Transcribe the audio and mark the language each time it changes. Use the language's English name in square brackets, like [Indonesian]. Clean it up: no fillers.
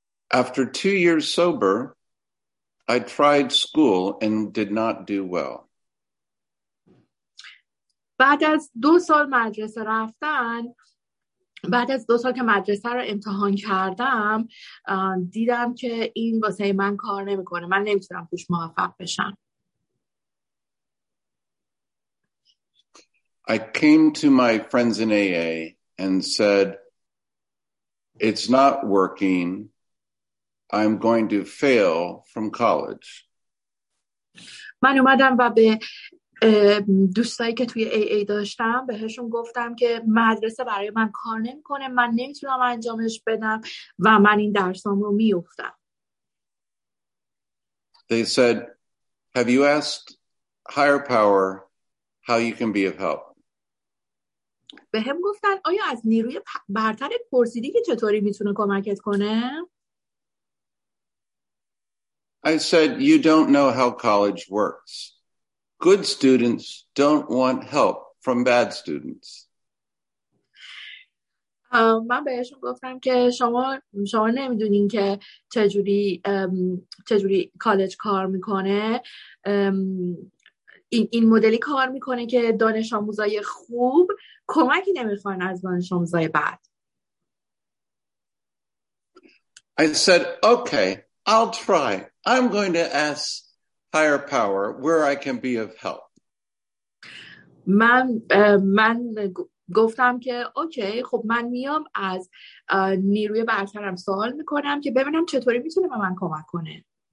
[English] After 2 years sober, I tried school and did not do well. [Persian] بعد از 2 سال مدرسه رفتن، بعد از 2 سال که مدرسه رو امتحان کردم، دیدم که این واسه من کار نمیکنه. من نمیتونم توش موفق بشم. [English] I came to my friends in AA and said, "It's not working. I'm going to fail from college." [Persian] من اومدم و به دوستایی که توی AA داشتم بهشون گفتم که مدرسه برای من کار نمی‌کنه، من نمیتونم انجامش بدم و من این درسام رو میافتم. [English] They said, "Have you asked higher power how you can be of help?" [Persian] بهم گفتن آیا از نیروی برتر پرسیدی که چطوری میتونه کمکت کنه؟ [English] I said, "You don't know how college works. Good students don't want help from bad students." [Persian] من بهشون گفتم که شما نمیدونین که چجوری کالج کار میکنه. این مدلی کار میکنه که دانش آموزای خوب کمکی نمیخوان از دانش آموزای بد. [English] I said, "Okay, I'll try. I'm going to ask higher power where I can be of help." [Persian] من گفتم که اوکی، خب من میام از نیروی برترم سوال میکنم که ببینم چطوری میتونه به من کمک کنه.